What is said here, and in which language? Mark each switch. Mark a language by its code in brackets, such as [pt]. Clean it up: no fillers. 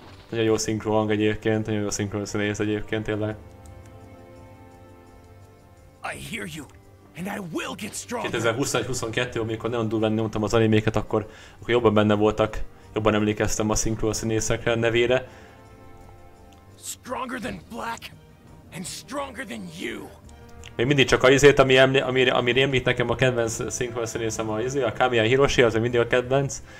[hu] Nagyon jó szinkron hang egyébként, nagyon jó szinkron színész egyébként, tényleg. [en] I hear you. And I will get stronger. [hu] 2021-22, amikor nagyon durván nyomtam az animéket, akkor jobban benne voltak, jobban emlékeztem a szinkron színészekre, nevére. [en] Stronger than black and stronger than you. [hu] Még mindig csak az izét, ami rémlik nekem a kedvenc szinkron színészem az izé, a Kamiya Hiroshi, az mindig a kedvenc.